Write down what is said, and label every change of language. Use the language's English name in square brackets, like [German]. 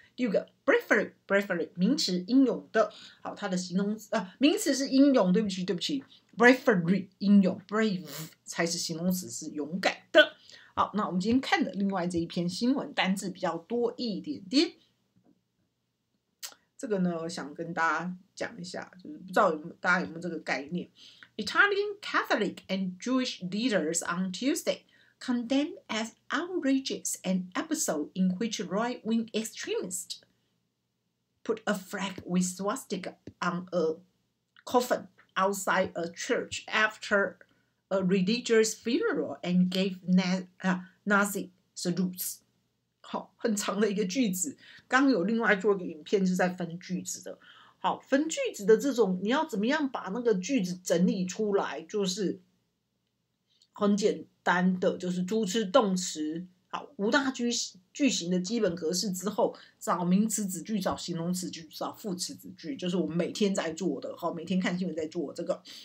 [Chinese] 第五个 bravery 名词，英勇的。好，它的形容词、名词是英勇，对不起 bravery 英勇， brave 才是形容词，是勇敢的。好，那我们今天看的另外这一篇新闻单字比较多一点点，这个呢我想跟大家讲一下，就是不知道大家有没有这个概念。 [English] Italian Catholic and Jewish leaders on Tuesday condemned as outrageous an episode in which right-wing extremists put a flag with swastika on a coffin outside a church after a religious funeral and gave Nazi salutes. [Chinese] 好，很长的一个句子，刚有另外做一个影片是在分句子的。好，分句子的这种，你要怎么样把那个句子整理出来，就是很简单的，就是主词、动词，好，五大句型的基本格式之后，找名词子句，找形容词句，找副词子句，就是我们每天在做的，好，每天看新闻在做这个。